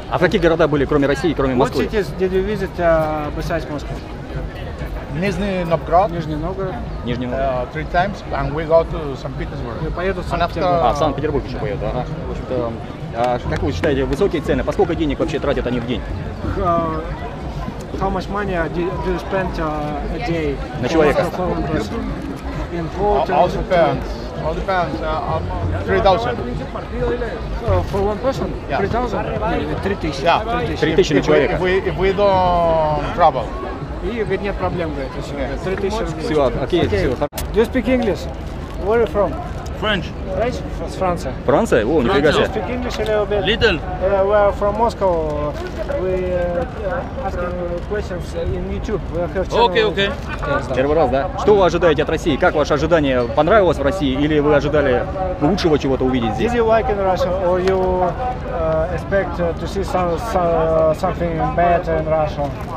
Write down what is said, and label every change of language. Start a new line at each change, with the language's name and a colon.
Russian: А в каких городах были, кроме России, кроме Москвы?
English: What cities did you visit besides Moscow?
Russian: Нижний Новгород. Нижний Новгород.
English: Three times, and we go to St. Petersburg.
Russian: Я поеду в Санкт-Петербург. А, в Санкт-Петербург еще поеду, ага. Значит, как вы считаете, высокие цены, по сколько денег вообще тратят они в день?
English: How much money do you spend a day?
Russian: На человека.
English: In quarter, All depends. $3,000 For one person? Yeah. $3,000
Russian: 3,000 на человека.
English: If we don't travel.
Russian: И говорит, нет проблем, говорит.
English: $3,000
Russian: Все, окей.
English: Do you speak English? Where are you from? French. French? From Франция.
Russian: Франция? О, нифига себе.
English: Do you speak English a little bit? Little. We are from Moscow. We asking questions in YouTube. We have channel. Okay.
Russian: Первый раз, да? Что вы ожидаете от России? Как ваше ожидание? Понравилось в России или вы ожидали лучшего чего-то увидеть здесь?
English: Did you like in Russia or you expect to see something better in Russia?